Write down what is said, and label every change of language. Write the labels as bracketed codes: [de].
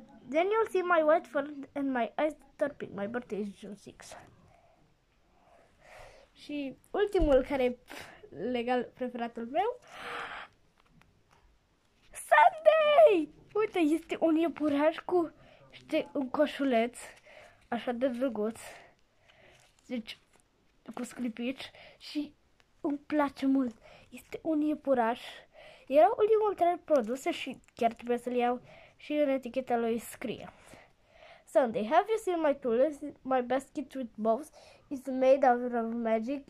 [en] Then you'll see my white fur and my eyes turping. My birthday is June 6. [ro] Și ultimul care e legal preferatul meu. Sunday! Uite, este un iepuraș cu este un coșuleț. Așa de drăguț. Deci, cu sclipici. Și... îmi place mult. Este un iepuraș. Era ultimul trei produse și chiar trebuie să-l iau și în eticheta lui scrie. [en] Sunday, have you seen my tools? My basket with bows is made out of magic.